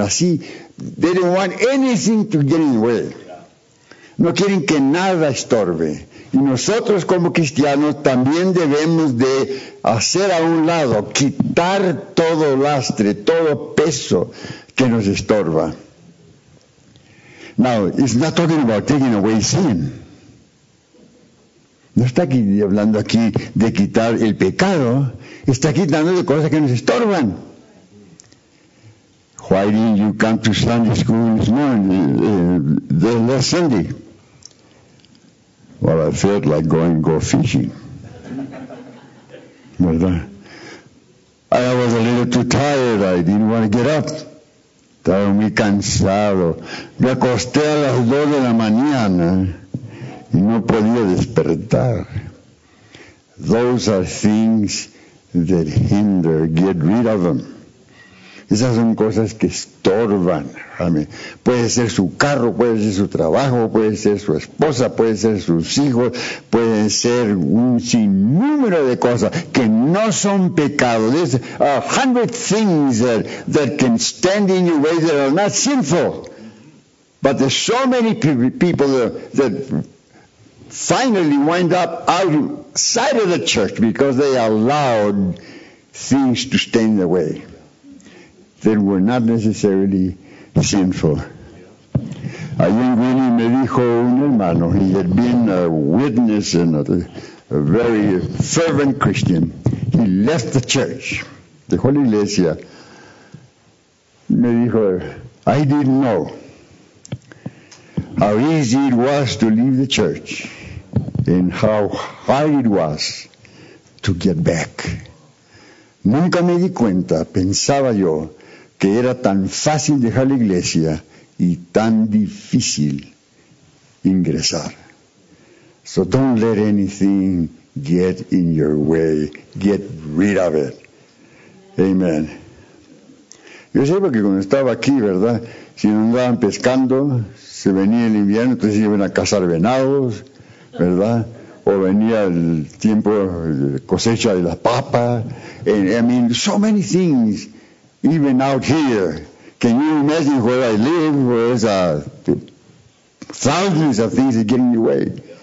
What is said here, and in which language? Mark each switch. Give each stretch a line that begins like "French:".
English: Así, they don't want anything to get in the way.
Spanish: No quieren que nada estorbe. Y nosotros como cristianos también debemos de hacer a un lado, quitar todo lastre, todo peso que nos estorba.
English: Now, it's not talking about taking away sin.
Spanish: No está aquí hablando aquí de quitar el pecado, está quitando de cosas que nos estorban.
English: Why didn't you come to Sunday school this morning, last Sunday? Well, I felt like going go fishing. ¿Verdad? I was a little too tired. I didn't want to get up.
Spanish: Estaba muy cansado. Me acosté a las 2 de la mañana y no podía despertar.
English: Those are things that hinder. Get rid of them.
Spanish: Esas son cosas que estorban. Amén. Puede ser su carro, puede ser su trabajo, puede ser su esposa, puede ser sus hijos, pueden ser un sinnúmero de cosas que no son pecados.
English: There's 100 things that can stand in your way that are not sinful. But there's so many people that finally wind up outside of the church because they allowed things to stand in the way that were not necessarily sinful.
Spanish: Allí en Greeley me dijo un hermano,
English: he had been a witness and a very fervent Christian. He left the church.
Spanish: dejó la iglesia, me dijo,
English: I didn't know how easy it was to leave the church and how hard it was to get back.
Spanish: Nunca me di cuenta, pensaba yo, que era tan fácil dejar la iglesia y tan difícil ingresar.
English: So don't let anything get in your way. Get rid of it.
Spanish: Amen. Yo sé porque cuando estaba aquí, ¿verdad? Si no andaban pescando, se venía el invierno, entonces iban a cazar venados, ¿verdad? O venía el tiempo de cosecha de las papas.
English: And, I mean, so many things, even out here. Can you imagine where I live? Where is thousands of things that get in your way.